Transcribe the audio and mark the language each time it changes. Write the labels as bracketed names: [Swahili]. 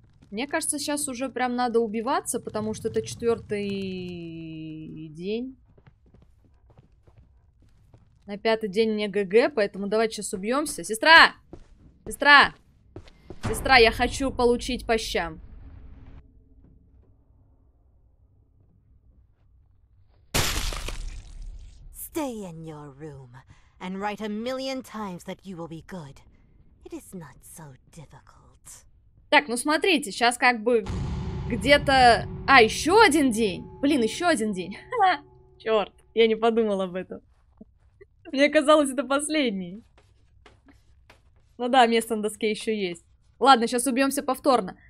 [Russian] Мне кажется, сейчас уже прям надо убиваться, потому что это четвертый день. На пятый день мне ГГ, поэтому давайте сейчас убьемся. Сестра! Сестра! Сестра, я хочу получить по щам. [English] Stay in your room and write a million times that you will be good. It is not so difficult. [Russian] Так, ну смотрите, сейчас как бы где-то... А, еще один день! Блин, еще один день! Черт, я не подумала об этом. Мне казалось, это последний. Ну да, место на доске еще есть. Ладно, сейчас убьемся повторно.